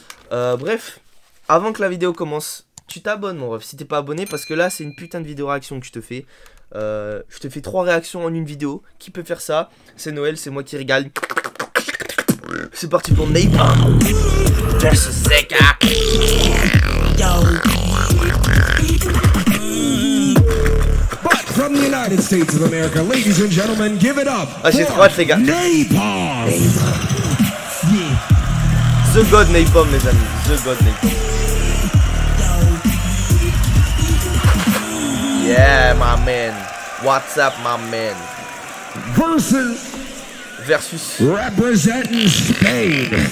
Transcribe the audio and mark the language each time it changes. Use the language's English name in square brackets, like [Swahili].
[French] Bref, avant que la vidéo commence... Tu t'abonnes, mon ref, si t'es pas abonné, parce que là, c'est une putain de vidéo réaction que je te fais. Je te fais 3 réactions en une vidéo. Qui peut faire ça? C'est Noël, c'est moi qui régale. C'est parti pour Napalm vs Zeka. [English] Yo. But from the United States of America, ladies and gentlemen, give it up. [French] Ah, j'ai trop hâte, les gars. [English] Napalm. The God Napalm, [French] mes amis. [English] The God Napalm. Yeah, my man. What's up, my man? Versus. Representing Spain.